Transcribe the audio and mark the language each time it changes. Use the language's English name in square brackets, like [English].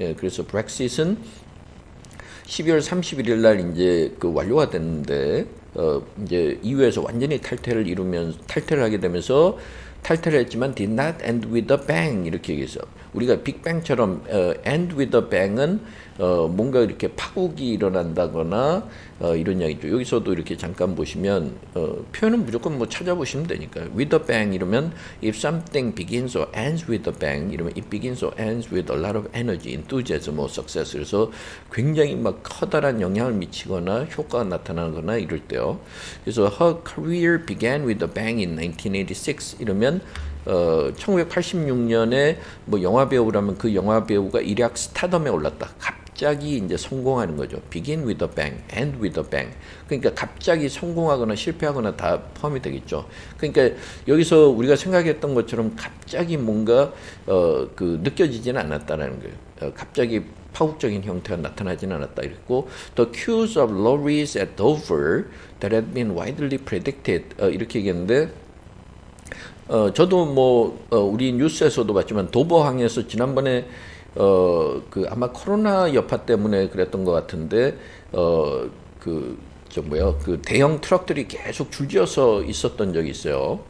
[Korean] 그래서 Brexit은 12월 31일 날 이제 그 완료가 됐는데, 이제 EU에서 완전히 탈퇴를 하게 되면서 탈퇴를 했지만 [English] did not end with a bang [Korean] 이렇게 얘기해서 우리가 빅뱅처럼 [English] end with a bang [Korean] 은 뭔가 이렇게 파국이 일어난다거나 이런 이야기죠. 여기서도 이렇게 잠깐 보시면 표현은 무조건 뭐 찾아보시면 되니까요. [English] With a bang [Korean] 이러면 [English] if something begins or ends with a bang 이러면 it begins or ends with a lot of energy, enthusiasm or success. [Korean] 그래서 굉장히 막 커다란 영향을 미치거나 효과가 나타나거나 이럴 때요. 그래서 [English] her career began with a bang in 1986 [Korean] 이러면 1986년에 뭐 영화 배우라면 그 영화 배우가 일약 스타덤에 올랐다. 갑자기 이제 성공하는 거죠. [English] Begin with a bang, end with a bang. [Korean] 그러니까 갑자기 성공하거나 실패하거나 다 포함이 되겠죠. 그러니까 여기서 우리가 생각했던 것처럼 갑자기 뭔가 느껴지지는 않았다라는 거예요. 갑자기 파국적인 형태가 나타나지는 않았다 이랬고 [English] The queues of lorries at Dover that had been widely predicted [Korean] 이렇게 얘기했는데 저도 뭐 우리 뉴스에서도 봤지만 도버항에서 지난번에 그 아마 코로나 여파 때문에 그랬던 것 같은데 그 대형 트럭들이 계속 줄지어서 있었던 적이 있어요.